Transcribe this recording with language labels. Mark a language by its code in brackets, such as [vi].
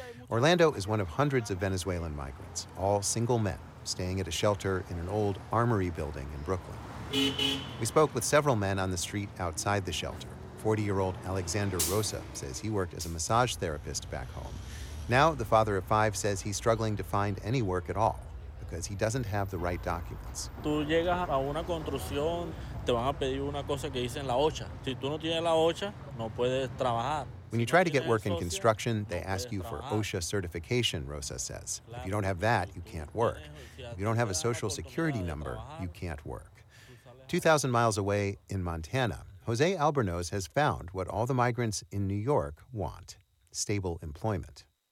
[en] Orlando is one of hundreds of Venezuelan migrants, all single men, staying at a shelter in an old armory building in Brooklyn. We spoke with several men on the street outside the shelter. 40-year-old Alexander Rosa says he worked as a massage therapist back home. Now, the father of five says he's struggling to find any work at all because he doesn't have the right documents. [es] Si tú no tienes la hocha, no puedes trabajar. [en] When you try to get work in construction, they ask you for OSHA certification, Rosa says. If you don't have that, you can't work. If you don't have a social security number, you can't work. 2,000 miles away in Montana, Jose Albornoz has found what all the migrants in New York want, stable employment.